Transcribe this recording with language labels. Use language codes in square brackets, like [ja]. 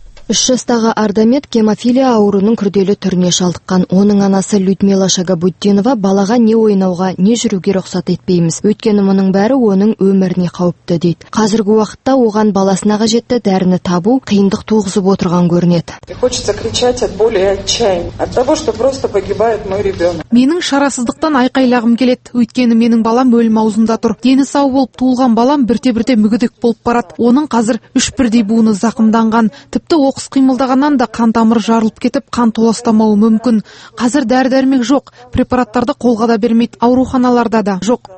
[kk] 3 жастағы Ардамет гемофилия ауруының күрделі түріне шалдыққан. Оның анасы Людмила Шагабуддинова балаға не ойнауға, не жүруге рұқсат етпейміз. Өйткені мұның бәрі оның өміріне қауіпті дейді. Қазіргі уақытта оған баласына қажетті дәріні табу қиындық туғызып отырған көрінеді. [ru] Хочется кричать от боли и отчаяния, от того, что просто погибает мой ребёнок. [kk] Менің шарасыздықтан айқайлағым келеді. Өйткені менің балам өлім аузында тұр. Дені сау болып туылған балам бірте-бірте мүгедек болып барады. Оның қазір 3 бірдей буыны зақымданған. Тіпті оқыс қимылдағаннан да қан тамыры жарылып кетіп, қан толастамауы мүмкін. Қазір дәрі-дәрмек жоқ, препараттарды қолға да бермейді, ауруханаларда да жоқ,